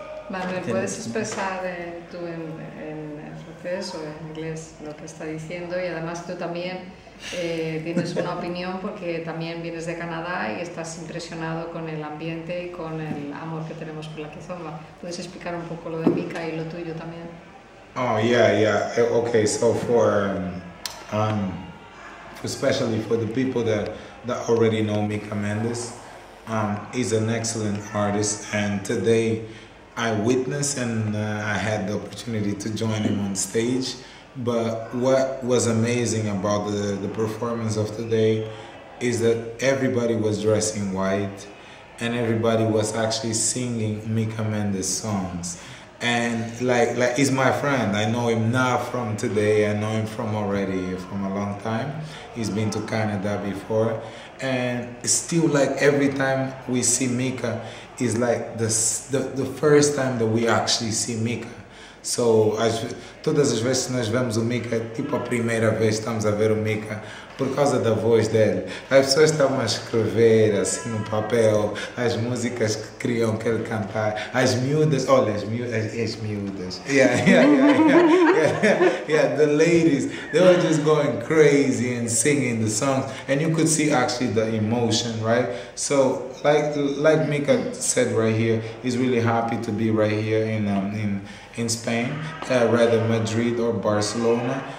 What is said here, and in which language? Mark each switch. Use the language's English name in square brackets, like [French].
[Spanish] Manuel, ¿puedes expresar tú en francés o en inglés lo que está diciendo? Y además tú también tienes una opinión, porque también vienes de Canadá y estás impresionado con el ambiente y con el amor que tenemos por la Kizomba. ¿Puedes explicar un poco lo de Mika y lo tuyo también? [English] Oh, yeah. Okay, so for especially for the people that already know Mika Mendes, he's an excellent artist, and today I witnessed and I had the opportunity to join him on stage. But what was amazing about the performance of today is that everybody was dressed in white and everybody was actually singing Mika Mendes songs. And like he's my friend. I know him not from today. I know him from already, from a long time. He's been to Canada before. And still, like, every time we see Mika, is like the first time that we actually see Mika. [Portuguese] So, todas as vezes nós vemos o Mika, tipo a primeira vez estamos a ver o Mika, por causa da voz dele. As pessoas estão a escrever assim no papel, as músicas que criam que ele cantar, as miúdas, olha, as miúdas. [English] Yeah, the ladies, they were just going crazy and singing the songs, and you could see actually the emotion, right? So, like Mika said right here, he's really happy to be right here in Spain, rather Madrid or Barcelona.